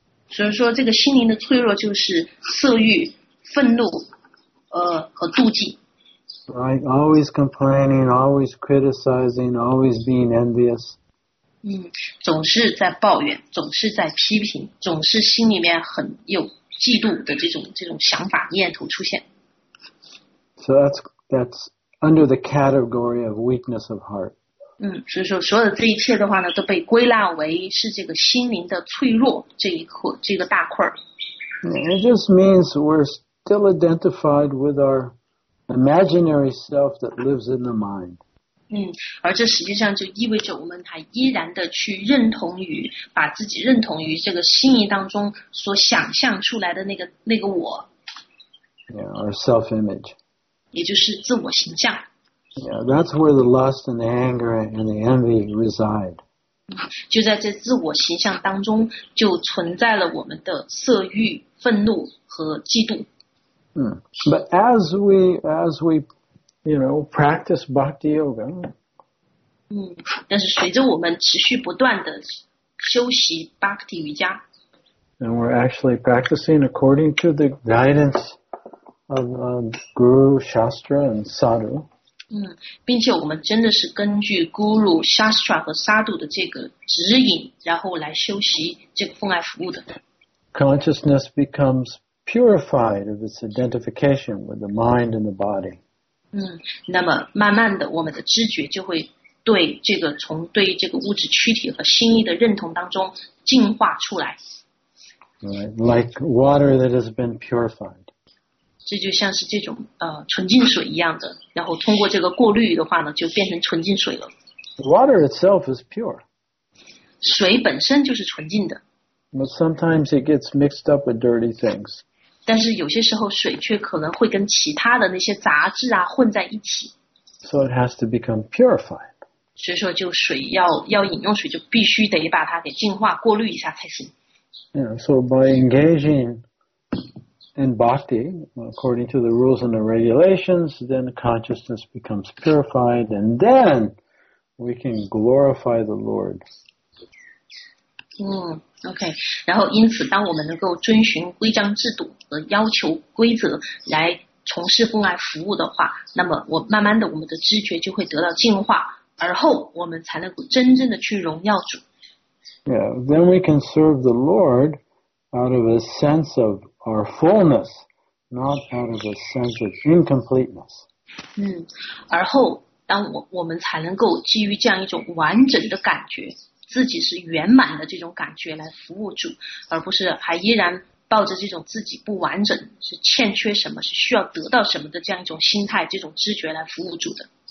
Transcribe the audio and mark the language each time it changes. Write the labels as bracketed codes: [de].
[zh] 所以说这个心灵的脆弱就是色欲、愤怒和妒忌。 [en] Right, always complaining, always criticizing, always being envious. [zh] 总是在抱怨，总是在批评，总是心里面很有嫉妒的这种想法念头出现。 [en] So that's under the category of weakness of heart. [zh] 所以说所有的这一切的话呢，都被归纳为是这个心灵的脆弱这个大块。 [en] It just means we're still identified with our imaginary self that lives in the mind. [zh] 而这实际上就意味着我们还依然的去认同于，把自己认同于这个心意当中所想象出来的那个我。 [en] Yeah, our self-image. [zh] 也就是自我形象。 [en] Yeah, that's where the lust and the anger and the envy reside. [zh] 就在这自我形象当中，就存在了我们的色欲、愤怒和嫉妒。 [en] But as we practice bhakti yoga. [zh] 但是随着我们持续不断的修习 bhakti 瑜伽。 [en] And we're actually practicing according to the guidance of guru, shastra, and sadhu. [zh] 并且我们真的是根据 guru, shastra 和 sadhu 的这个指引，然后来修习这个奉爱服务的。 [en] Consciousness becomes purified of its identification with the mind and the body. [zh] 那么慢慢的我们的知觉就会对这个从对这个物质躯体和心意的认同当中进化出来。 [en] Like water that has been purified. [zh] 这就像是这种纯净水一样的，然后通过这个过滤的话呢，就变成纯净水了。 [en] Water itself is pure. [zh] 水本身就是纯净的。 [en] But sometimes it gets mixed up with dirty things. [zh] 但是有些时候水却可能会跟其他的那些杂质啊混在一起。 [en] So it has to become purified. [zh] 所以说就水要饮用水就必须得把它给净化过滤一下才行。 [en] Yeah, so by engaging in bhakti, according to the rules and the regulations, then consciousness becomes purified, and then we can glorify the Lord. [zh] OK, 然后因此当我们能够遵循规章制度和要求规则来从事奉爱服务的话，那么我慢慢的我们的知觉就会得到净化，而后我们才能够真正的去荣耀主。 [en] Yeah, then we can serve the Lord out of a sense of our fullness, not out of a sense of incompleteness. [zh] 而后当我们才能够基于这样一种完整的感觉，自己是圆满的这种感觉来服务主，而不是还依然抱着这种自己不完整，是欠缺什么，是需要得到什么的这样一种心态，这种知觉来服务主的。